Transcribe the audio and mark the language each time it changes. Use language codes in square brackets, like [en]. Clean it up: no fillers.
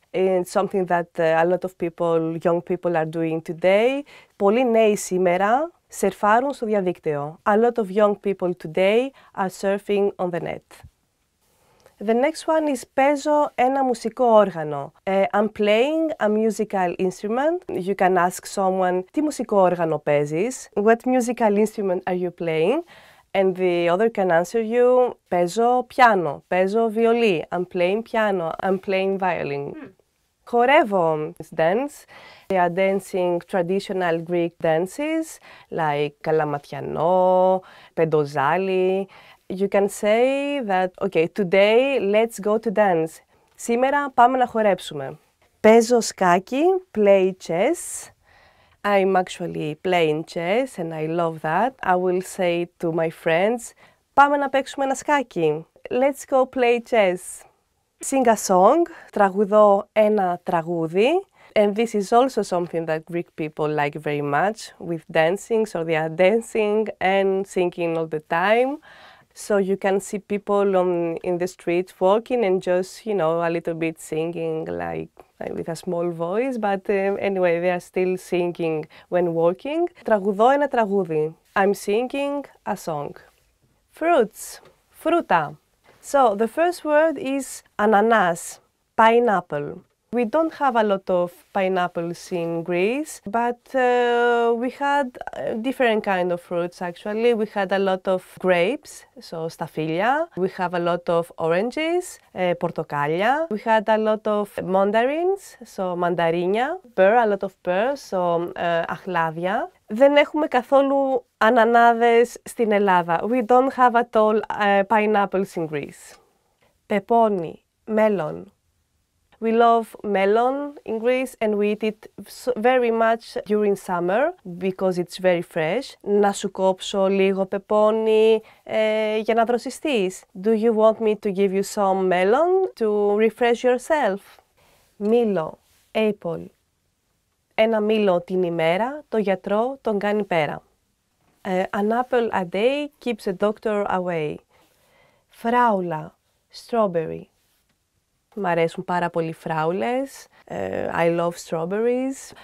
[en] And something that a lot of people, young people, are doing today. [el] Πολλοί νέοι σήμερα σερφάρουν στο διαδίκτυο. [en] A lot of young people today are surfing on the net. The next one is [el] παίζω ένα μουσικό όργανο. [en] I'm playing a musical instrument. You can ask someone, [el] τι μουσικό όργανο παίζεις? [en] What musical instrument are you playing? And the other can answer you, [el] παίζω πιάνο, παίζω βιολί, [en] I'm playing piano, I'm playing violin. Χορεύω, it's dance. They are dancing traditional Greek dances, like καλαματιανό, πεντοζάλι. You can say that, okay, today let's go to dance. [el] Σήμερα πάμε να χορέψουμε. Παίζω σκάκι, [en] play chess. I'm actually playing chess and I love that. I will say to my friends, [el] πάμε να παίξουμε ένα σκάκι. [en] Let's go play chess. Sing a song, [el] τραγουδώ ένα τραγούδι. [en] And this is also something that Greek people like very much with dancing. So they are dancing and singing all the time. So you can see people in the street walking and just, you know, a little bit singing, like with a small voice, but anyway, they are still singing when walking. [el] Τραγουδώ ένα τραγούδι. [en] I'm singing a song. Fruits. Φρούτα. So the first word is ananas. Pineapple. We don't have a lot of pineapples in Greece, but we had different kind of fruits actually. We had a lot of grapes, so σταφύλια. We have a lot of oranges, πορτοκάλια. We had a lot of mandarins, so μανταρίνια. Pear, a lot of pears, so αχλάδια. [el] Δεν έχουμε καθόλου ανανάδες στην Ελλάδα. [en] We don't have at all pineapples in Greece. Πεπόνι, μέλλον. We love melon in Greece and we eat it very much during summer because it's very fresh. [el] Να σου κόψω λίγο πεπόνι για να δροσιστείς. [en] Do you want me to give you some melon to refresh yourself? [el] Μήλο, apple. Ένα μήλο την ημέρα, το γιατρό τον κάνει πέρα. [en] An apple a day keeps the doctor away. Φράουλα, strawberry. [el] Μ' αρέσουν πάρα πολύ φράουλες. [en] I love strawberries.